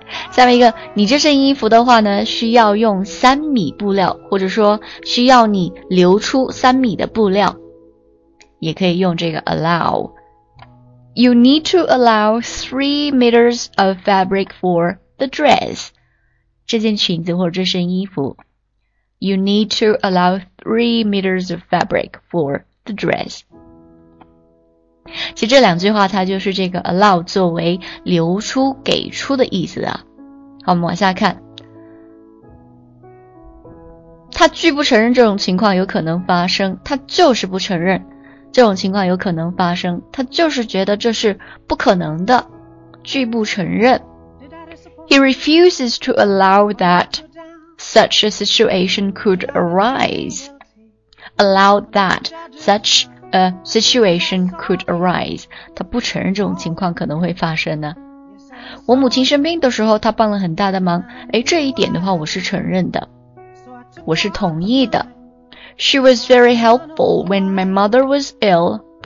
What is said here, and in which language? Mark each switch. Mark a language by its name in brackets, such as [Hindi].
[Chinese] 下面一个，你这身衣服的话呢，需要用3米布料，或者说需要你留出3米的布料，也可以用这个 allow. [English] You need to allow 3 meters of fabric for the dress. [Chinese] 这件裙子或者这身衣服。 [English] You need to allow 3 meters of fabric for the dress. [Chinese] 其实这两句话它就是这个 allow 作为留出给出的意思啊。好，我们往下看。他拒不承认这种情况有可能发生，他就是不承认这种情况有可能发生，他就是觉得这是不可能的，拒不承认。 [English] He refuses to allow that such a situation could arise. Allow that such a situation could arise. [Chinese] 他不承认这种情况可能会发生呢。我母亲生病的时候，她帮了很大的忙。诶，这一点的话，我是承认的，我是同意的。 [English] She was very helpful when my mother was ill.